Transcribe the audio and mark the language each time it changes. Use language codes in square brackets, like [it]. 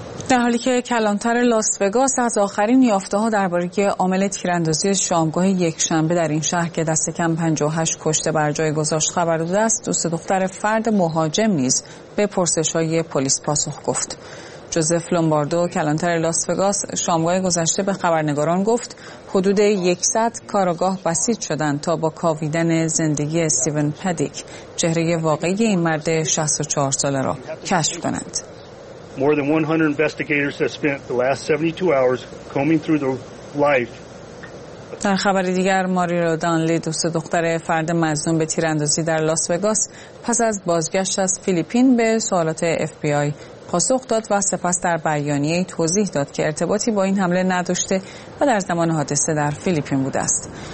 [fa] در حالی که کلانتر لاس وگاس از آخرین یافته‌ها درباره عامل تیراندازی شامگاه یکشنبه در این شهر که دست کم 58 کشته بر جای گذاشت خبر داده است، دوست دختر فرد مهاجم نیز به پرسش‌های پلیس پاسخ گفت. جوزف لومباردو کلانتر لاس وگاس شامگاه گذشته به خبرنگاران گفت حدود 100 کارگاه بسیج شدند تا با کاویدن زندگی استیون پدیک چهره واقعی این مرد 64 ساله را کشف کنند. [en] More than 100 investigators have spent the last 72 hours combing through the life. [fa] در خبر دیگر، ماری رودانلی، دوست دختر فرد مظنون به تیراندازی در لاس وگاس، پس از بازگشت از فیلیپین به سوالات FBI پاسخ داد و سپس در بیانیه توضیح داد که ارتباطی با این حمله نداشته و در زمان حادثه در فیلیپین بوده است.